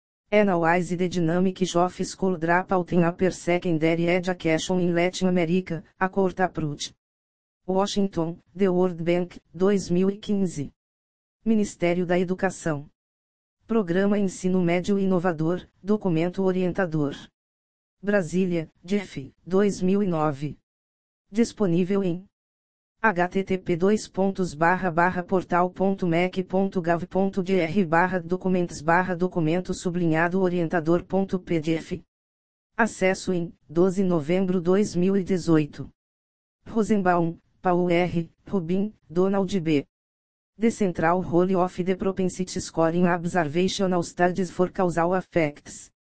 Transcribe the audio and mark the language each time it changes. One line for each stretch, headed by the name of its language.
English: Analyze the dynamics of school dropout in upper secondary education in Latin America, a Court approved. Washington, The World Bank, 2015.
Portuguese: Ministério da Educação. Programa Ensino Médio Inovador, Documento Orientador. Brasília, DF, 2009. Disponível em http://portal.mec.gov.br/documentos/documento-orientador.pdf. Acesso em 12 de novembro de 2018.
English: Rosenbaum, Paul R., Rubin, Donald B. The Central Role of the Propensity Score in Observational Studies for Causal Effects.